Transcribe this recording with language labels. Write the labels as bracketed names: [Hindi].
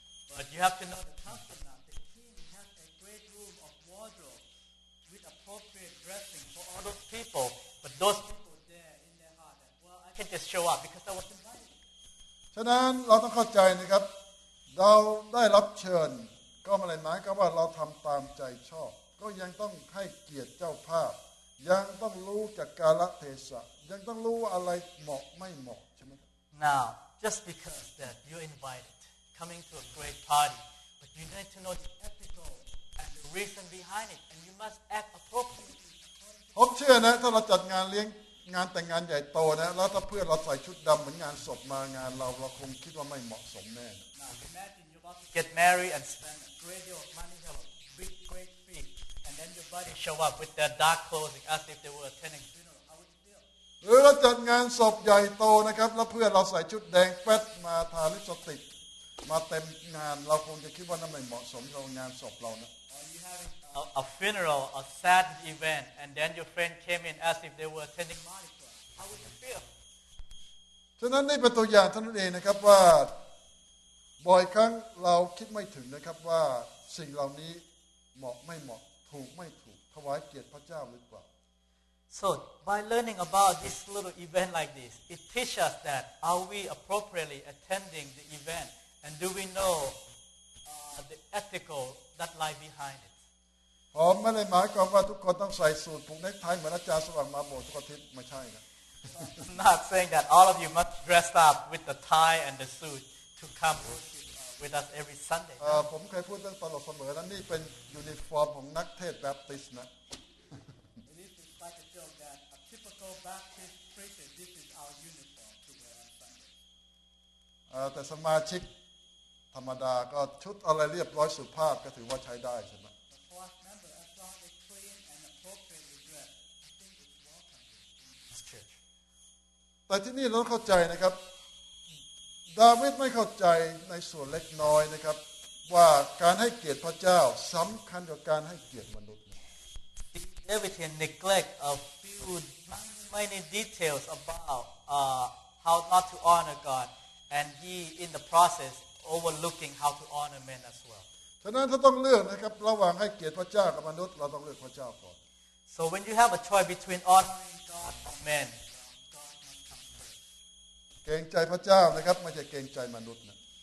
[English] But you have to know the custom that the king has a great room of wardrobe with appropriate dressing for all those people but those people there in their heart that, well I can just show up because I was invited [Thai] ฉะนั้นเราต้องเข้าใจนะครับเราได้รับเชิญก็อะไรหมายก็ว่าเราทำตามใจชอบก็ยังต้องให้เกียรติเจ้าภาพยังต้องรู้จากกาลเทศะยังต้องรู้อะไรเหมาะไม่เหมาะใช่ไหม [English] Now just because that you're invited coming to a great party but you need to know the ethical and the reason behind it and you must act appropriately [Thai] ผมเชื่อนะถ้าเราจัดงานเลี้ยงงานแต่งงานใหญ่โตนะแล้วถ้าเพื่อนเราใส่ชุดดำเหมือนงานศพมางานเราคงคิดว่าไม่เหมาะสมแน่ [English] Now imagine you're about to get married and spend a great deal of money for a big great feastAnd your buddy show up with their dark clothing as if they were attending funeral. How would you feel? [Thai] เราจัดงานศพใหญ่โตนะครับแล้วเพื่อเราใส่ชุดแดงแป๊ดมาทาลิปสติกมาเต็มงานเราคงจะคิดว่านั่นไม่เหมาะสมกับงานศพเรานะ [English] Are you having a a funeral, a sad event, and then your friend came in asked if they were attending Mardi Gras, how would you feel? [Thai] ฉะนั้นนี่เป็นตัวอย่างเท่านั้นเองนะครับว่าบ่อยครั้งเราคิดไม่ถึงนะครับว่าสิ่งเหล่านี้เหมาะไม่เหมาะถูกไม่ถูกถวายเกียรติพระเจ้าหรือเปล่า [English] So by learning about this little event like this, it teaches us that are we appropriately attending the event and do we know the ethical that lie behind it? [Thai] ผมไม่ได้หมายความว่าทุกคนต้องใส่สูทผูกเน็กไทเหมือนอาจารย์สว่างมาโบสถ์ทุกอาทิตย์ไม่ใช่นะ [English] I'm not saying that all of you must dress up with the tie and the suit. To come with us every Sunday. [Thai] ผมเคยพูดเรื่องตลกเสมอนะนี่เป็นยูนิฟอร์มของนักเทศแบปติสต์นะ [English] It is like a joke that a typical Baptist preacher, this is our uniform to wear on Sunday. [Thai] แต่สมาชิกธรรมดาก็ชุดอะไรเรียบร้อยสุภาพก็ถือว่าใช้ได้ใช่ไหม [English] But for us members, as long as it's clean and appropriately dressed, I think it's welcome to church. [Thai] แต่ที่นี่เราเข้าใจนะครับดาวิดไม่เข้าใจในส่วนเล็กน้อยนะครับว่าการให้เกียรติพระเจ้าสำคัญกว่าการให้เกียรติมนุษย์ [English] David neglect a few many details about how not to honor God and he in the process overlooking how to honor men as well [Thai] ฉะนั้นถ้าต้องเลือกนะครับระหว่างให้เกียรติพระเจ้ากับมนุษย์เราต้องเลือกพระเจ้าก่อน [English] So when you have a choice between honoring God or men [Thai] เกรงใจพระเจ้านะครับไม่ใช่เกรงใจมนุษย์นะ